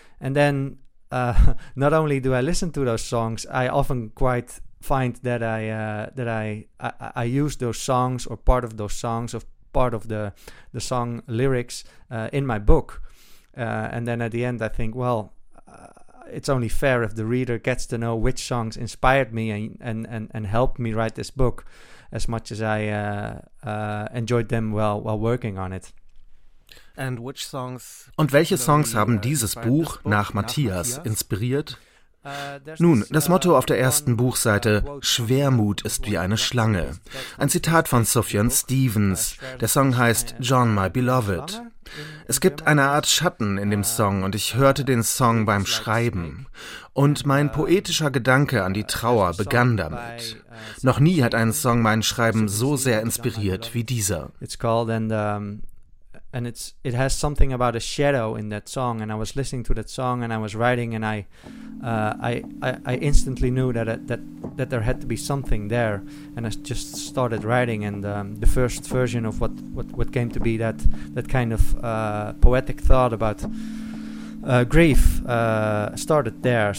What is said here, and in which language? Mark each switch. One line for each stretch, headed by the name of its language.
English: And then not only do I listen to those songs, I often quite find that I use those songs or part of those songs part of the song lyrics in my book, and then at the end I think, well, it's only fair if the reader gets to know which songs inspired me and helped me write this book as much as I enjoyed them while working on it. And which songs?
German: Und welche Songs haben dieses Buch nach Matthias inspiriert? Nun, das Motto auf der ersten Buchseite, Schwermut ist wie eine Schlange. Ein Zitat von Sufjan Stevens. Der Song heißt John, My Beloved. Es gibt eine Art Schatten in dem Song und ich hörte den Song beim Schreiben. Und mein poetischer Gedanke an die Trauer begann damit. Noch nie hat ein Song mein Schreiben so sehr inspiriert wie dieser.
English: It's called and it has something about a shadow in that song, and I was listening to that song and I was writing, and I instantly knew that there had to be something there, and I just started writing, and the first version of what came to be that kind of poetic thought about grief started there.